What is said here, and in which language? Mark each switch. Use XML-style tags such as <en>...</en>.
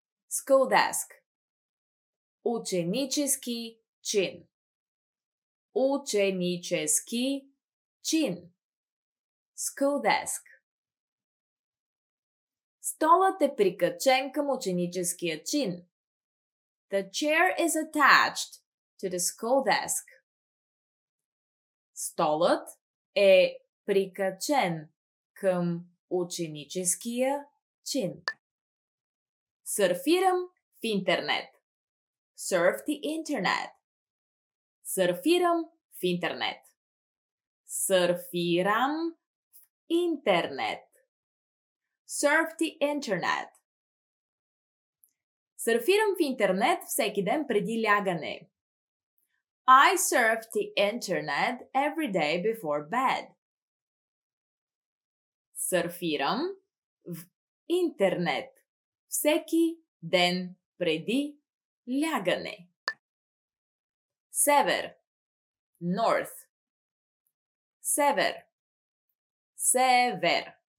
<en>School desk.</en> <bg>Ученически чин. Ученически чин.</bg> <en>School desk.</en> <bg>Столът е прикачен към ученическия чин.</bg> <en>The chair is attached to the school desk.</en> <bg>Столът е прикачен към ученическия чин. Сърфирам в интернет.</bg> <en>Surf the internet.</en> <bg>Сърфирам в интернет. Сърфирам интернет.</bg> <en>Surf the internet.</en> <bg>Сърфирам в интернет всеки ден преди лягане.</bg> <en>I surf the internet every day before bed.</en> <bg>Сърфирам в интернет всеки ден преди лягане. Север.</bg> <en>North.</en> <bg>Север. Север.</bg>